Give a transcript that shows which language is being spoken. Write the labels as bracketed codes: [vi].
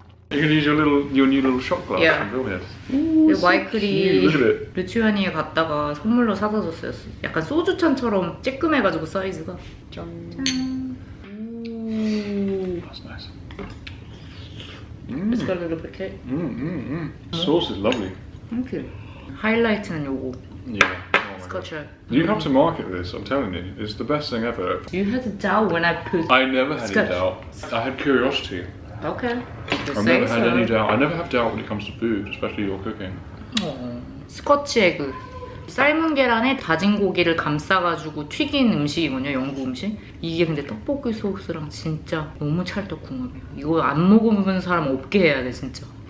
[en] You can use your little, your new little shot glass. Yeah. Brilliant. [ko] Ooh, 와이클이 르투아니아 갔다가 선물로 사다 줬어요. 약간 소주잔처럼 쬐끔해가지고 사이즈가. 짠. 짠. [en] That's nice. Mm. It's got a little bit. Sauce is lovely. Thank you. [ko] 하이라이트는 요거. [en] Yeah. Scotcher. You have to market this, I'm telling you. It's the best thing ever. You had a doubt when I put I never had any doubt. I had curiosity. Okay. I've never had any doubt. I never have doubt when it comes to food, especially your cooking. Scotch egg. [ko] 삶은 계란에 다진 고기를 감싸가지고 튀긴 음식이군요, 영국 음식. 이게 근데 떡볶이 소스랑 진짜 너무 찰떡 궁합이에요. 이거 안 먹어본 사람 없게 해야 돼, 진짜.